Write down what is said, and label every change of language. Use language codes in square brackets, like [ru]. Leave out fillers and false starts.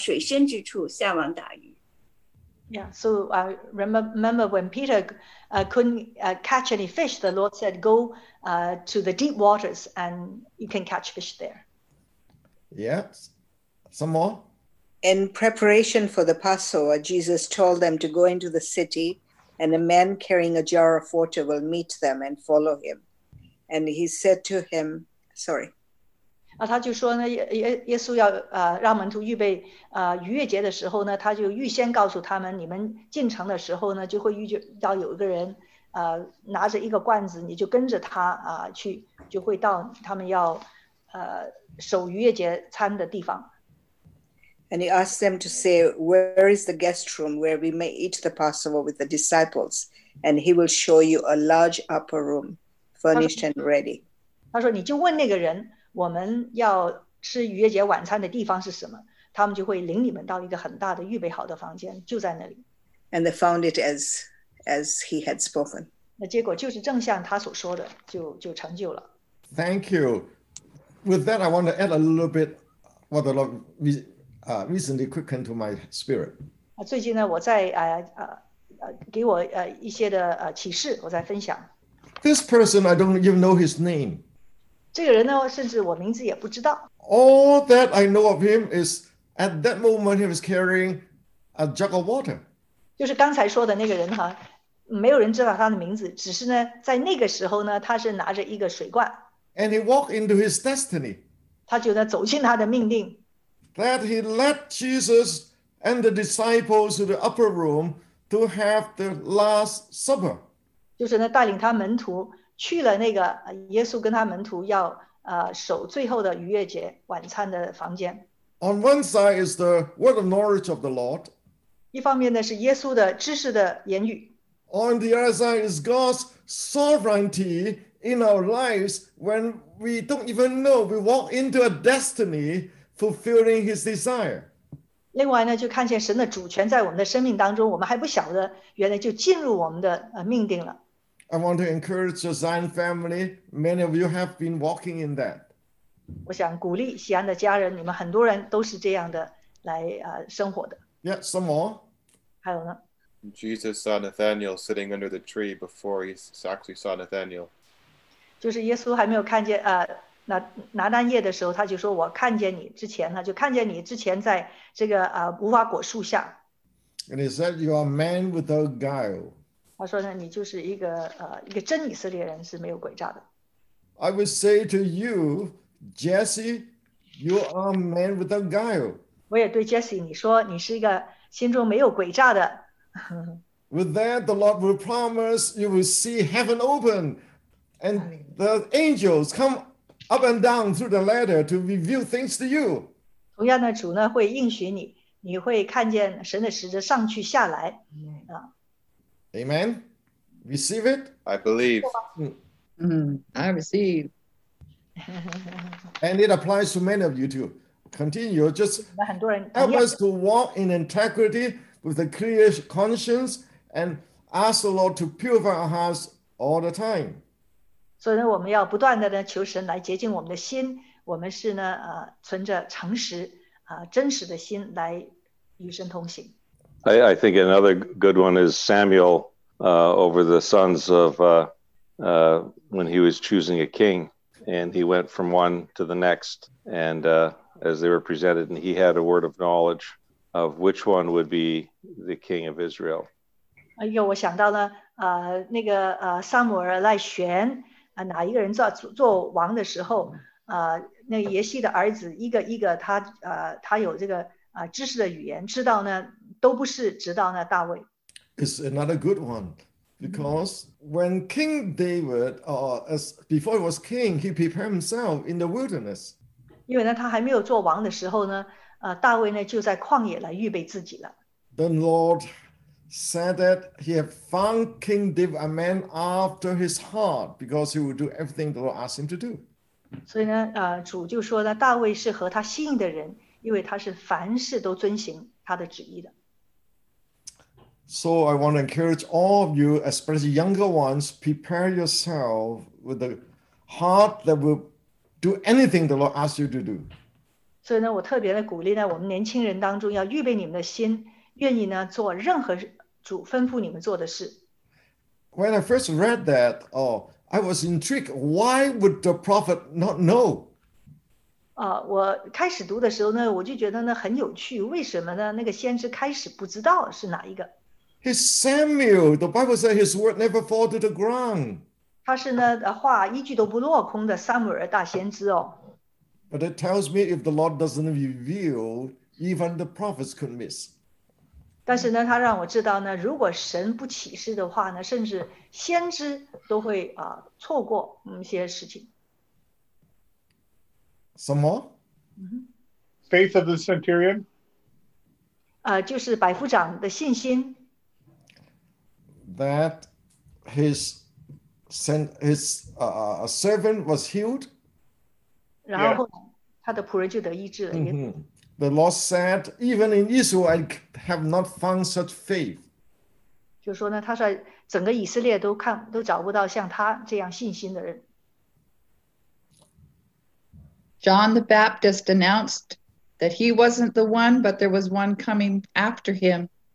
[zh] 我想到一个就是，彼得下网打鱼打不着，然后耶稣就让他到水深之处下网打鱼。 [en] Yeah, so I remember when Peter couldn't catch any fish, the Lord said, go to the deep waters and you can catch fish there. Yes, some more? In preparation for the Passover, Jesus told them to go into the city, and a man carrying a jar of water will meet them and follow him. And he said to him, sorry. [zh] 他就说呢，耶稣要让门徒预备逾越节的时候呢，他就预先告诉他们，你们进城的时候呢，就会遇到有一个人，拿着一个罐子，你就跟着他去，就会到他们要守逾越节餐的地方。 [en] And he asked them to say, where is the guest room where we may eat the Passover with the disciples? And he will show you a large upper room furnished and ready. [zh] 他说, 你就问那个人, 我们要吃逾越节晚餐的地方是什么? 他们就会领你们到一个很大的预备好的房间, 就在那里。 [en] And they found it as he had spoken. [zh] 那结果就是正像他所说的, 就成就了。 [en] Thank you. With that, I want to add a little bit what the Lord recently quickened to my spirit. [zh] 最近呢, 我在, 给我, 一些的, 启示, 我在分享。 [en] This person, I don't even know his name. [zh] 这个人呢, 甚至我名字也不知道。 [en] All that I know of him is at that moment he was carrying a jug of water. [zh] 就是刚才说的那个人哈, 没有人知道他的名字, 只是呢, 在那个时候呢, 他是拿着一个水罐。 [en] And he walked into his destiny. [zh] 他就呢, 走进他的命定。 [en] That he led Jesus and the disciples to the upper room to have the Last Supper. [zh] 就是呢, 带领他门徒, 去了那个, 耶稣跟他门徒, 要, 守最后的逾越节, 晚餐的房间。 [en] On one side is the word of knowledge of the Lord. [zh] 一方面呢, 是耶稣的知识的言语。 [en] On the other side is God's sovereignty in our lives when we don't even know we walk into a destiny fulfilling his desire. [zh] 另外呢, 就看见神的主权在我们的生命当中, 我们还不晓得, 原来就进入我们的, 命定了。 [en] I want to encourage the Zion family. Many of you have been walking in that. [zh] 我想鼓励西安的家人, 你们很多人都是这样的, 来, 生活的。 [en] Yeah, some more. [zh] 还有呢? [en] Jesus saw Nathanael sitting under the tree before he actually saw Nathanael. [zh] 就是耶稣还没有看见, 拿单叶的时候, 他就说我看见你之前, 他就看见你之前在这个, 无花果树下。 [en] And he said, you are a man without guile. [zh] 他说呢, 你就是一个, 一个真以色列人, 是没有诡诈的。 [en] I would say to you, Jesse, you are a man without guile. [zh] 我也对Jesse, 你说, 你是一个心中没有诡诈的。 [en] With that, the Lord will promise you will see heaven open and the angels come up and down through the ladder to reveal things to you. [zh] 同样的, 主呢, 会应许你, 你会看见神的使者上去下来, [en] Amen. Receive it. I believe. I receive. And it applies to many of you too. Continue. Just help us to walk in integrity with a clear conscience and ask the Lord to purify our hearts all the time. [zh] 所以呢,我们要不断地求神来洁净我们的心, 我们是呢, 存着诚实, 真实的心来与神同行。 [en] I think another good one is Samuel over the sons of, when he was choosing a king, and he went from one to the next, and as they were presented, and he had a word of knowledge of which one would be the king of Israel. [zh] 我想到呢, 那个, 撒母耳来选, 哪一个人做王的时候, 那耶西的儿子一个一个, 他, 他有这个, 知识的语言, 知道呢, 都不是, 直到呢, 大卫。 [en] It's another good one, because when King David, as before he was king, he prepared himself in the wilderness. [zh] 因为呢, 他还没有做王的时候呢, 大卫呢, 就在旷野来预备自己了。 [en] The Lord said that he had found King David a man after his heart because he would do everything the Lord asked him to do. [zh] 所以呢, 主就说呢, 大卫是合他心意的人, 因为他是凡事都遵行他的旨意的。 [en] So I want to encourage all of you, especially younger ones, prepare yourself with a heart that will do anything the Lord asks you to do. [zh] 所以呢, 我特别的鼓励呢, 我们年轻人当中, 要预备你们的心, 愿意呢, 做任何, 主吩咐你们做的事。 [en] When I first read that, I was intrigued. Why would the prophet not know? [zh] 我开始读的时候呢, 我就觉得呢很有趣, 为什么呢? 那个先知开始不知道是哪一个。 [en] His Samuel, the Bible said his word never fall to the ground. [zh] 他是呢, 话一句都不落空的, Samuel大先知哦。 [en] But it tells me if the Lord doesn't reveal, even the prophets could miss. [zh] 但是呢, 他让我知道呢, 如果神不启示的话呢, 甚至先知都会, 错过一些事情。 [en] Some more? Faith of the centurion? [zh] 就是百夫长的信心, [en] that his servant was healed. [zh] 然后他的仆人就得医治了, [en] yeah. [zh] mm-hmm. [en] The Lord said, even in Israel, I have not found such faith. [zh] 就说呢, 他说整个以色列都看, 都找不到像他这样信心的人。 [en] John the Baptist announced that he wasn't the one, but there was one coming after him.